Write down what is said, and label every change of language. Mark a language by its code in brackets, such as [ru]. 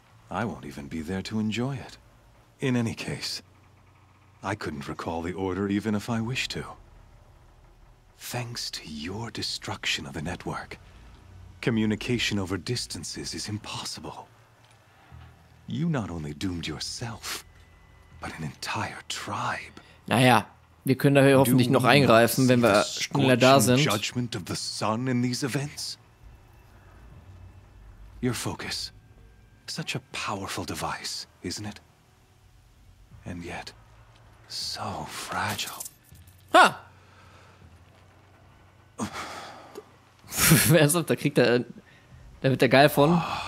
[en] I won't even be there to enjoy it. In any case, I couldn't recall the order even if I wished to. Thanks to your destruction of the network, communication over distances is impossible. You not only doomed yourself, but an entire tribe. [de] Naja, wir können da hoffentlich noch eingreifen, wenn wir schneller da sind. [en] Judgment of the sun in these events? Your focus, such a powerful device, isn't it? And yet, so fragile. Ha! [de] Ernsthaft, da kriegt er. Da wird er geil von.